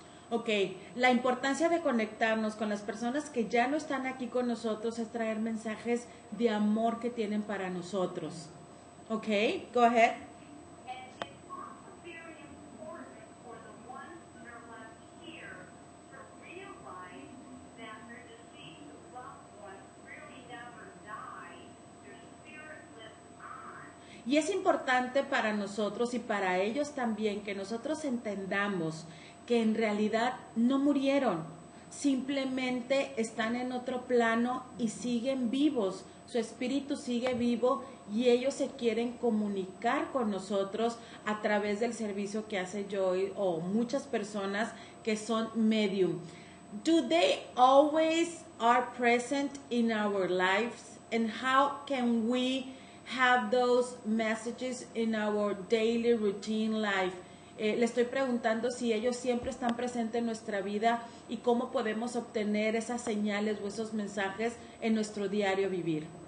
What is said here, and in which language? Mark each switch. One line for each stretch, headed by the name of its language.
Spanish: Okay, la importancia de conectarnos con las personas que ya no están aquí con nosotros es traer mensajes de amor que tienen para nosotros.
English: Okay, go ahead. And it's also very important for the ones that are left here to realize that they're deceased loved ones really never die, and their spirit lives on.
Spanish: Y es importante para nosotros y para ellos también que nosotros entendamos que en realidad no murieron, simplemente están en otro plano y siguen vivos, su espíritu sigue vivo y ellos se quieren comunicar con nosotros a través del servicio que hace Joy o muchas personas que son medium.
English: Do they always are present in our lives? And how can we have those messages in our daily routine life?
Spanish: Le estoy preguntando si ellos siempre están presentes en nuestra vida y cómo podemos obtener esas señales o esos mensajes en nuestro diario vivir.